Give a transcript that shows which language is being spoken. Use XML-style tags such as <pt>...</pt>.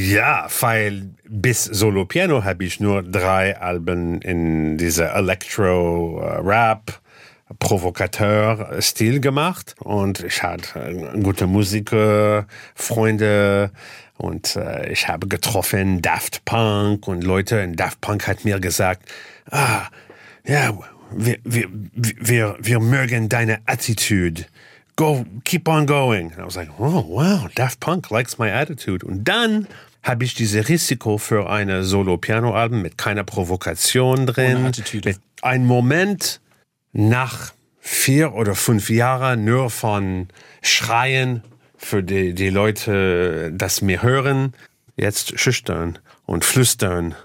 <de>Ja, weil bis Solo Piano habe ich nur drei Alben in dieser Electro-Rap Provokateur-Stil gemacht und ich hatte gute Musiker, Freunde und ich habe getroffen Daft Punk und Leute in Daft Punk hat mir gesagt, wir mögen deine Attitude,</de> <en>go, keep on going. And I was like, oh wow, Daft Punk likes my attitude.</en> <de>Und dann habe ich dieses Risiko für ein Solo-Piano-Album mit keiner Provokation drin, mit einem Moment nach 4 oder 5 Jahre nur von Schreien für die Leute, das mir hören, jetzt schüchtern und flüstern.</de>